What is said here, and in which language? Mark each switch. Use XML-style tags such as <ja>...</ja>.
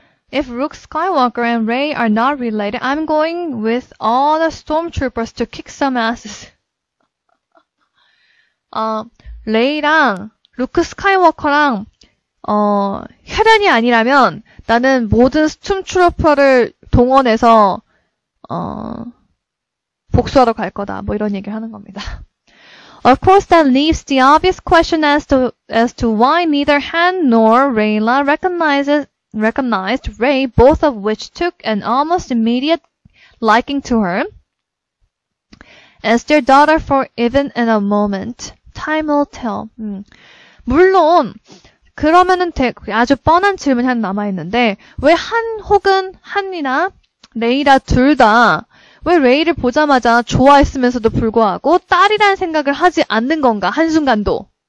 <en>If Luke Skywalker and Rey are not related, I'm going with all the stormtroopers to kick some asses.</en> <ko>레이랑 루크 스카이워커랑 혈연이 아니라면 나는 모든 스톰트루퍼를 동원해서 복수하러 갈 거다. 뭐 이런 얘기를 하는 겁니다.</ko> <en>Of course, that leaves the obvious question as to why neither Han nor Reyla recognized Rey, both of which took an almost immediate liking to her as their daughter for even in a moment. Time will tell.</en> <ko>물론 그러면은 아주 뻔한 질문이 하나 남아있는데 왜한 혹은 한이나 레이라 둘다왜 레이를 보자마자 좋아했으면서도 불구하고 딸이라는 생각을 하지 않는 건가 한순간도?</ko>